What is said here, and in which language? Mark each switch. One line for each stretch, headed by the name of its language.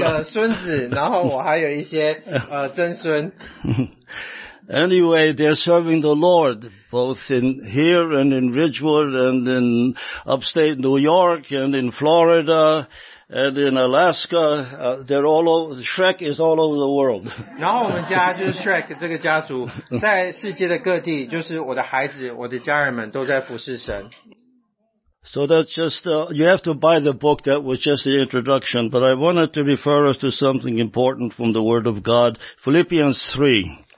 Chinese: 然后我有几个孙子，然后我还有一些曾孙。
English: Anyway, they're serving the Lord, both in here and in Ridgewood and in upstate New York and in Florida and in Alaska. They're all over, Shrek is all over the world.
Chinese: 然后我们家就是Shrek这个家族，在世界的各地，就是我的孩子，我的家人们都在服侍神。
English: So that's just, you have to buy the book, that was just the introduction, but I wanted to refer us to something important from the Word of God, Philippians 3.